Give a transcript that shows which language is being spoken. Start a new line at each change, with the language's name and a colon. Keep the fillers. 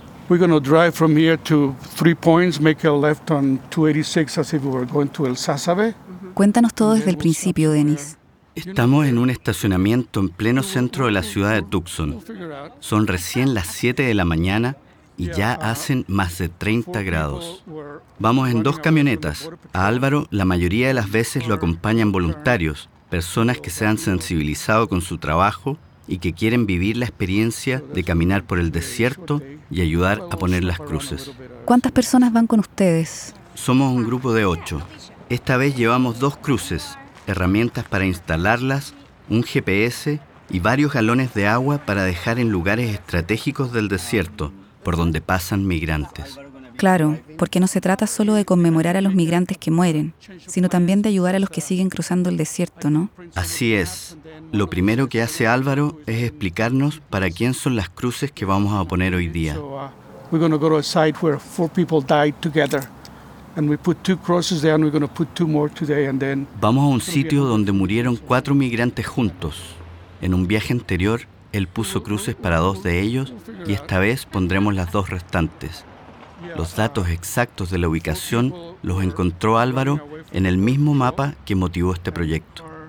English: We're going to drive from here to Three Points, make a left on 286 as if we were going to El Sasabe.
Spanish: Cuéntanos todo desde el principio, Denis. Estamos en un estacionamiento en pleno centro de la ciudad de Tucson.
English: We'll figure out.
Spanish: Son recién las 7 de la mañana y ya hacen más de 30 grados. Vamos en dos camionetas. A Álvaro la mayoría de las veces lo acompañan voluntarios, personas que se han sensibilizado con su trabajo y que quieren vivir la experiencia de caminar por el desierto y ayudar a poner las cruces. ¿Cuántas personas van con ustedes? Somos un grupo de ocho. Esta vez llevamos dos cruces, herramientas para instalarlas, un GPS y varios galones de agua para dejar en lugares estratégicos del desierto, por donde pasan migrantes. Claro, porque no se trata solo de conmemorar a los migrantes que mueren, sino también de ayudar a los que siguen cruzando el desierto, ¿no? Así es. Lo primero que hace Álvaro es explicarnos para quién son las cruces que vamos a poner hoy día.
English: So, uh, we're going to go to a site where four people died together And we put two crosses there, and we're going to put two more today, and then
Spanish: Vamos a un sitio donde murieron cuatro migrantes juntos. En un viaje anterior, él puso cruces para dos de ellos y esta vez pondremos las dos restantes. Los datos exactos de la ubicación los encontró Álvaro en el mismo mapa que motivó este proyecto.